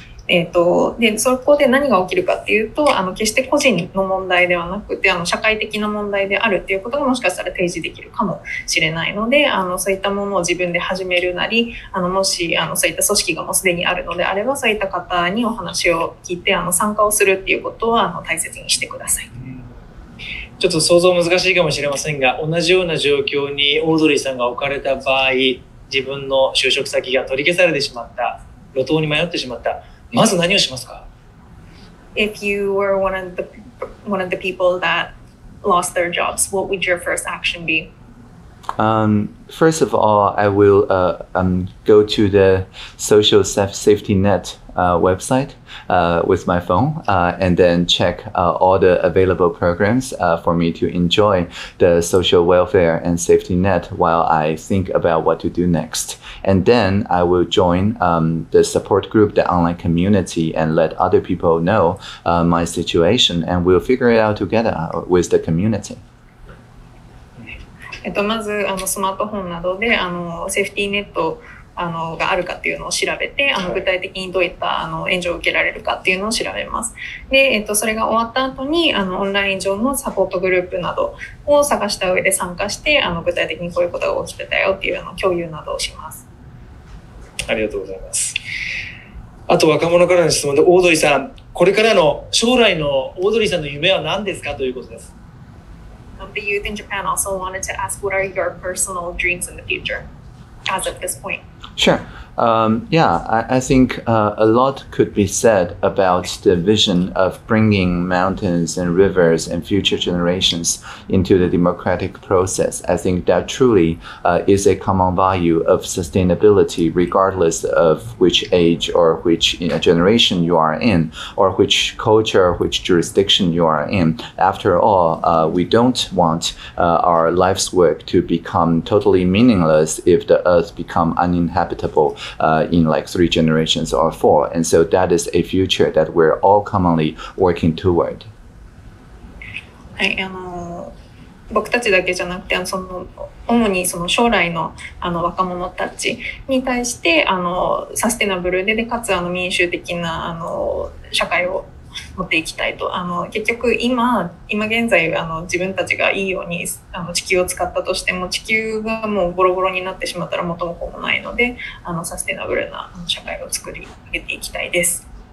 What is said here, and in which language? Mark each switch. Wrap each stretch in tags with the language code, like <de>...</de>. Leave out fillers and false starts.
<ja>でそこで何が起きるかっていうと、決して個人の問題ではなくて、社会的な問題であるっていうことがもしかしたら提示できるかもしれないので、そういったものを自分で始めるなり、もしそういった組織がもうすでにあるのであれば、そういった方にお話を聞いて参加をするっていうことは大切にしてください。ちょっと想像難しいかもしれませんが、同じような状況にオードリーさんが置かれた場合、自分の就職先が取り消されてしまった、路頭に迷ってしまった、まず何をしますか？</ja> <en>If you were one of the people that lost their jobs, what would your first action be? First of all, I will go to the social safety net website with my phone and then check all the available programs for me to enjoy the social welfare and safety net while I think about what to do next. And then I will join the support group, the online community, and let other people know my situation, and we'll figure it out together with the community.</en> <ja>まずスマートフォンなどでセーフティーネットあのがあるかっていうのを調べて、あの具体的にどういったあの援助を受けられるかっていうのを調べます。で、それが終わった後にあのオンライン上のサポートグループなどを探した上で参加して、あの具体的にこういうことが起きてたよっていうのを共有などをします。ありがとうございます。あと若者からの質問で、オードリーさん、これからの将来のオードリーさんの夢は何ですかということです。</ja> <en>The youth in Japan also wanted to ask, what are your personal dreams in the future as of this point? Sure. I think a lot could be said about the vision of bringing mountains and rivers and future generations into the democratic process. I think that truly is a common value of sustainability, regardless of which age or which generation you are in, or which culture, which jurisdiction you are in. After all, we don't want our life's work to become totally meaningless if the earth become uninhabitable in like three generations or four. And so that is a future that we're all commonly working toward.</en> <ja>はい、僕たちだけじゃなくて、その主にその将来 の, あの若者たちに対して、あのサステナブル でかつあの民主的なあの社会を持っていきたいと。あの結局今現在、あの自分たちがいいようにあの地球を使ったとしても、地球がもうボロボロになってしまったら元も子もないので、あのサステナブルな社会を作り上げていきたいです、</ja>